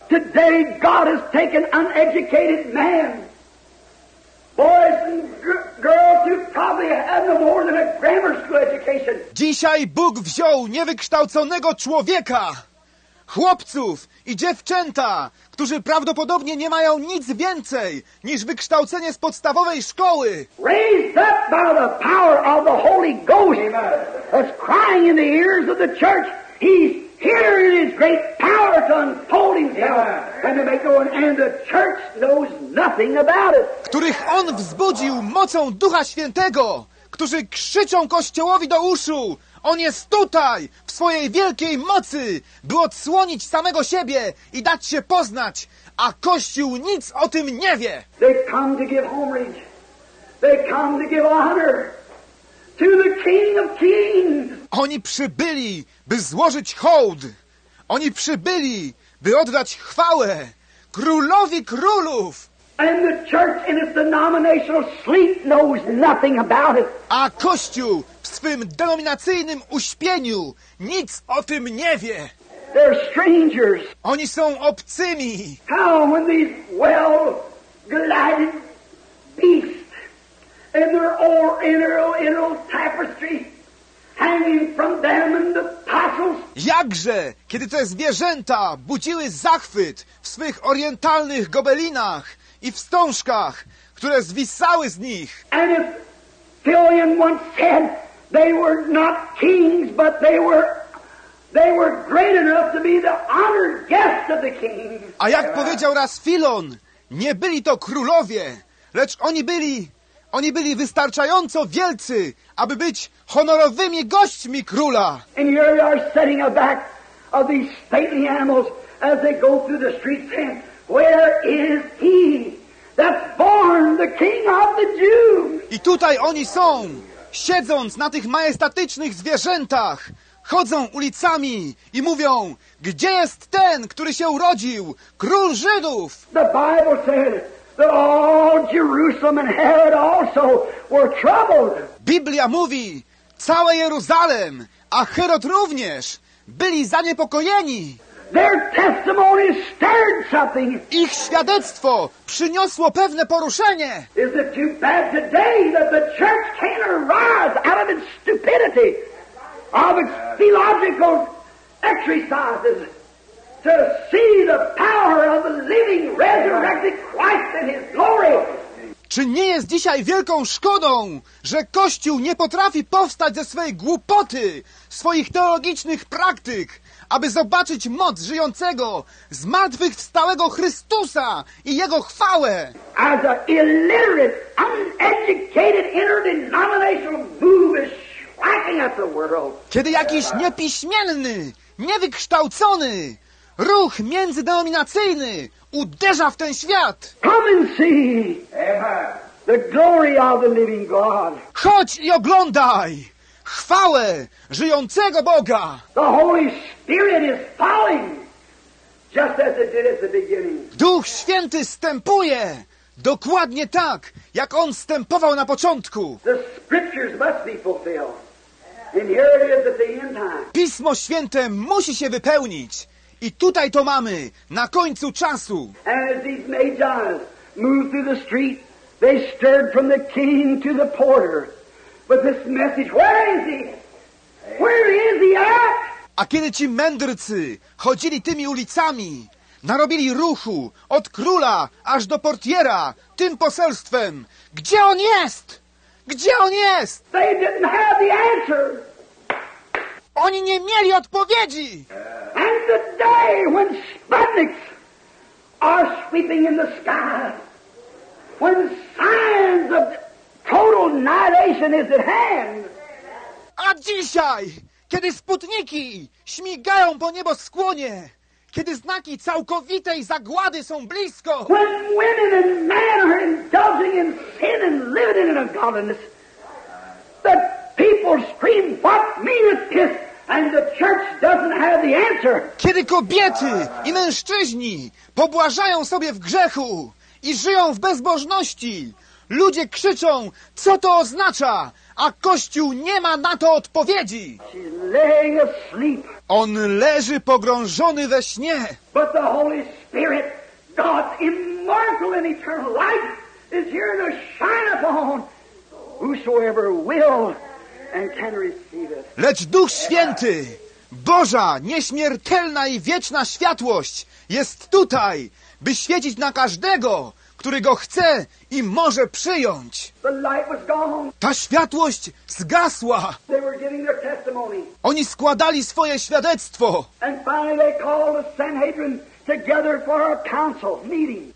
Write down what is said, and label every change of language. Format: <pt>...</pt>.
<en>Today God has taken uneducated men, boys and girls who probably have no more than a grammar school education.</en> <pl>Dzisiaj Bóg wziął niewykształconego człowieka, chłopców i dziewczęta, którzy prawdopodobnie nie mają nic więcej niż wykształcenie z podstawowej szkoły.</pl> <en>Raised up by the power of the Holy Ghost, that's crying in the ears of the church. He's here in his great power to unfold himself and to make one, and the church knows nothing about it.</en> <pl>Których on wzbudził mocą Ducha Świętego, którzy krzyczą Kościołowi do uszu. On jest tutaj, w swojej wielkiej mocy, by odsłonić samego siebie i dać się poznać, a Kościół nic o tym nie wie.</pl> <en>They come to give homage. They come to give honor to the King of Kings.</en> <pl>Oni przybyli, by złożyć hołd. Oni przybyli, by oddać chwałę Królowi Królów.</pl> <en>And the church in its denominational sleep knows nothing about it.</en> <pl>A Kościół w swym denominacyjnym uśpieniu nic o tym nie wie.</pl> <en>They're strangers.</en> <pl>Oni są obcymi.</pl> <en>How when these well-gladded beasts and their oriental tapestry hanging from them and the tassels.</en> <pl>Jakże, kiedy te zwierzęta budziły zachwyt w swych orientalnych gobelinach i wstążkach, które zwisały z nich.</pl> <en>And if Philion once said they were not kings, but they were great enough to be the honored guests of the king.</en> <pl>A jak powiedział raz Filon, nie byli to królowie, lecz oni byli Oni byli wystarczająco wielcy, aby być honorowymi gośćmi króla.</pl> <en>And here they are sitting on the back of these stately animals as they go through the streets saying, where is he that's born the king of the Jews?</en> <pl>I tutaj oni są, siedząc na tych majestatycznych zwierzętach, chodzą ulicami i mówią, gdzie jest ten, który się urodził, król Żydów?</pl> <en>The Bible says that all Jerusalem and Herod also were troubled.</en> <pl>Biblia mówi, całe Jeruzalem, a Herod również, byli zaniepokojeni.</pl> <en>Their testimony stirred something.</en> <pl>Ich świadectwo przyniosło pewne poruszenie.</pl> <en>Is it too bad today that the church can't arise out of its stupidity of its theological exercises to see the power of the living resurrected Christ and his glory?</en> <pl>Czy nie jest dzisiaj wielką szkodą, że Kościół nie potrafi powstać ze swojej głupoty, swoich teologicznych praktyk, aby zobaczyć moc żyjącego, zmartwychwstałego Chrystusa i Jego chwałę?</pl> <en>As an illiterate, uneducated, interdenominational boo is shrieking at the world.</en> <pl>Kiedy jakiś niepiśmienny, niewykształcony ruch międzydenominacyjny uderza w ten świat.</pl> <en>Come and see the glory of the living God.</en> <pl>Chodź i oglądaj chwałę żyjącego Boga.</pl> <en>The Holy Spirit is falling, just as it did at the beginning.</en> <pl>Duch Święty stępuje dokładnie tak, jak on stępował na początku.</pl> <en>The scriptures must be fulfilled. And here it is at the end time.</en> <pl>Pismo Święte musi się wypełnić. I tutaj to mamy, na końcu czasu.</pl> <en>As these magi moved through the street, they stirred from the king to the porter. But this message, where is he? Where is he at?</en> <pl>A kiedy ci mędrcy chodzili tymi ulicami, narobili ruchu od króla aż do portiera tym poselstwem. Gdzie on jest? Gdzie on jest?</pl> <en>They didn't have the answer.</en> <pl>Oni nie mieli odpowiedzi.</pl> <en>And the day when Sputniks are sweeping in the sky, when signs of total annihilation is at hand.</en> <pl>A dzisiaj, kiedy Sputniki śmigają po nieboskłonie, kiedy znaki całkowitej zagłady są blisko.</pl> <en>When women and men are indulging in sin and living in ungodliness, the people scream, what meaneth this? And the church doesn't have the answer.</en> <pl>Kiedy kobiety i mężczyźni pobłażają sobie w grzechu i żyją w bezbożności, ludzie krzyczą, co to oznacza, a Kościół nie ma na to odpowiedzi.</pl> <en>She's laying asleep.</en> <pl>On leży pogrążony we śnie.</pl> <en>But the Holy Spirit, God's immortal and eternal life, is here to shine upon whosoever will. And can receive it.</en> <pl>Lecz Duch Święty, Boża, nieśmiertelna i wieczna światłość jest tutaj, by świecić na każdego, który go chce i może przyjąć.</pl> <en>The light was gone.</en> <pl>Ta światłość zgasła.</pl> <en>They were giving their testimony.</en> <pl>Oni składali swoje świadectwo.</pl> <en>And finally they called the Sanhedrin together for a council meeting.</en>